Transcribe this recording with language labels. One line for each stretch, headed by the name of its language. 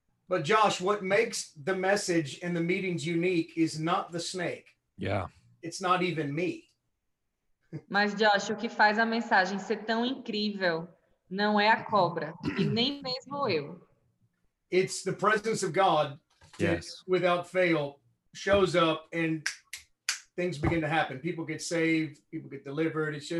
English: But Josh, what makes the message and the meetings unique is not the snake. Yeah. It's not even me.
Portuguese: Mas Josh, o que faz a mensagem ser tão incrível não é a cobra, e nem mesmo eu.
English: It's the presence of God that, yes, without fail shows up and things begin to happen. People get saved, people get delivered.